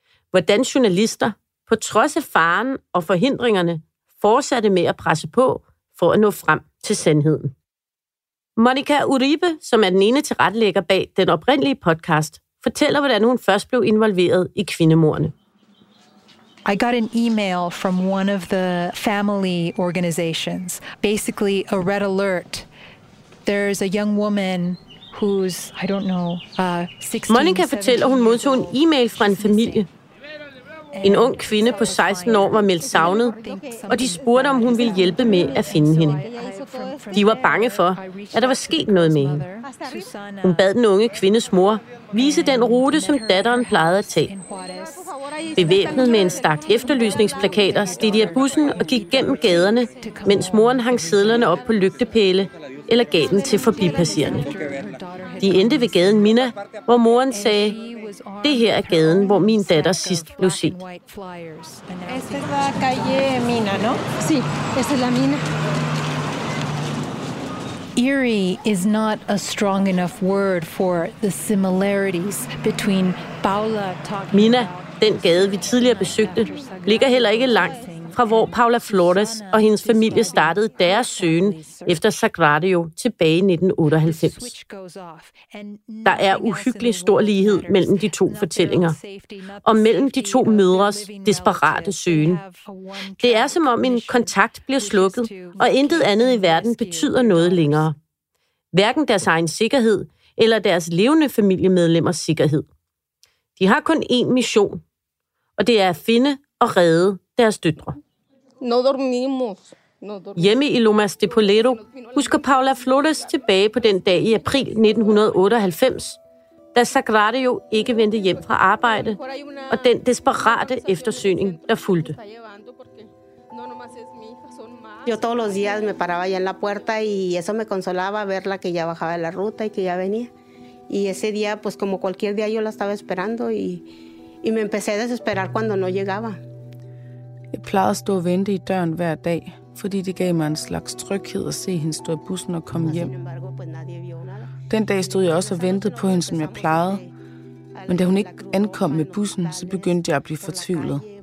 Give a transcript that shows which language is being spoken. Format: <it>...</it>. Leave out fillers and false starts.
<da>Hvordan journalister, på trods af faren og forhindringerne, fortsatte med at presse på for at nå frem til sandheden. Monica Uribe, som er den ene tilrettelægger bag den oprindelige podcast, fortæller, hvordan hun først blev involveret i kvindemordene.</da> <en>I got an email from one of the family organizations, basically a red alert. There's a young woman who's, I don't know, 16.</en> <da>Monica fortæller, hun modtog en e-mail fra en familie. En ung kvinde på 16 år var meldt savnet, og de spurgte, om hun ville hjælpe med at finde hende. De var bange for, at der var sket noget med hende. Hun bad den unge kvindes mor vise den rute, som datteren plejede at tage. Bevæbnet med en stak efterlysningsplakater stiger jeg bussen og gik gennem gaderne, mens moren hang sedlerne op på lygtepæle eller gav dem til forbipasserende. De endte ved gaden Mina, hvor moren sagde, det her er gaden, hvor min datter sidst blev set.</da> <es>Esta es la calle Mina, ¿no? Sí, esta es la Mina.</es> <en>Eerie is not a strong enough word for the similarities between Paula talking.</en> <da>Mina, den gade vi tidligere besøgte, ligger heller ikke langt fra hvor Paula Flores og hendes familie startede deres søgen efter Sagrario tilbage i 1998. Der er uhyggelig stor lighed mellem de to fortællinger, og mellem de to mødres desperate søgen. Det er som om en kontakt bliver slukket, og intet andet i verden betyder noget længere. Hverken deres egen sikkerhed eller deres levende familiemedlemmers sikkerhed. De har kun én mission, og det er at finde og redde deres døtre.</da> <es>No dormimos. No dormimos.</es> <da>Hjemme i Lomas de Poledo husker Paula Flores tilbage på den dag i april 1998, da Sagrario ikke vendte hjem fra arbejde, og den desperate eftersøgning, der fulgte.</da> <es>Yo todos los días me paraba ya en la puerta y eso me consolaba verla que ya bajaba la ruta y que ya venía. Y ese día, pues como cualquier día, yo la estaba esperando y me empecé a desesperar cuando no llegaba.</es> <da>Jeg plejede at stå og vente i døren hver dag, fordi det gav mig en slags tryghed at se hende stå i bussen og komme hjem. Den dag stod jeg også og ventede på hende, som jeg plejede, men da hun ikke ankom med bussen, så begyndte jeg at blive fortvivlet.</da>